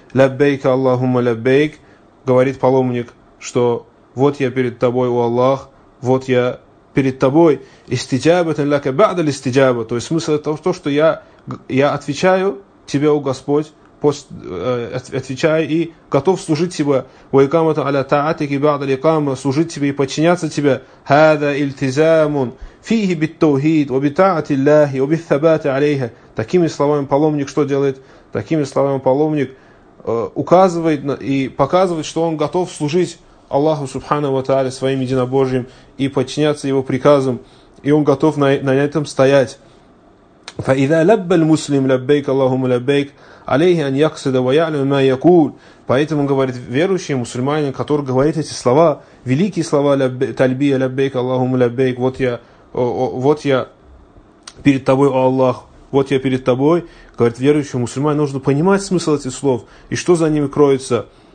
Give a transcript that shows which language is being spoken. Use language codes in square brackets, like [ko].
[ar] «Лаббейка Аллахумма лаббейк», [ru] говорит паломник, что «Вот я перед тобой, о Аллах, вот я перед тобой». [ar] «Истиджабатан лака ба'да листиджаба». [ru] То есть смысл это в том, что я отвечаю тебе, о Господь, отвечаю и готов служить тебе. [ar] «Вайкамата аля таатики ба'да ликама», [ru] служить тебе и подчиняться тебе. [ar] «Хада ильтизамун». فيه بالتوحيد وبطاعة الله وبالثبات عليها. [ru] Такими словами паломник что делает? Такими словами паломник указывает и показывает, что он готов служить Аллаху Субхану ва Тааля своим единобожьим и подчиняться его приказам, и он готов на этом стоять. [ar] فإذا لب المسلم لبيك اللهم لبيك عليه أن يقصد ويعلم ما يقول. [ru] Поэтому говорит верующий мусульманин, который говорит эти слова, великие слова тальбия [ar] لبيك اللهم لبيك, [ru] вот я «Вот я перед тобой, о Аллах, вот я перед тобой», говорит верующий мусульман, нужно понимать смысл этих слов и что за ними кроется.